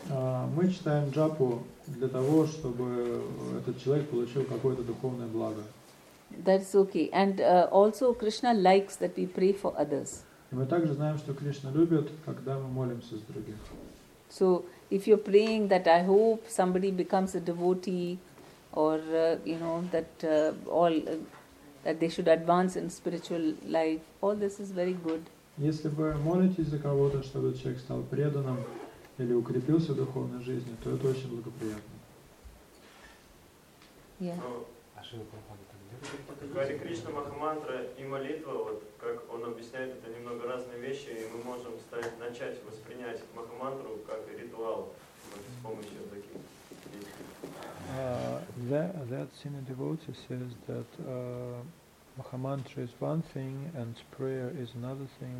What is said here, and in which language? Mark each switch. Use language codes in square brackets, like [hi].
[ru] Мы читаем джапу для того, чтобы этот человек получил какое-то духовное благо. [en] That's okay. And also Krishna likes that we pray for others. [ru] И мы также знаем, что Кришна любит, когда мы молимся за других. [en] So, if you're praying that I hope somebody becomes a devotee, or you know that all that they should advance in spiritual life, all this is very good. [ru] Если вы молитесь за кого-то, чтобы человек стал преданным или укрепился в духовной жизни, то это очень благоприятно. [en] Yeah. [ru] Хари Кришна Махамантра и молитва, вот как он объясняет, это немного разные вещи, и мы можем начать воспринять Махамантру как ритуал с помощью таких действий. [en] That senior devotee says that Махамантра is one thing and prayer is another thing.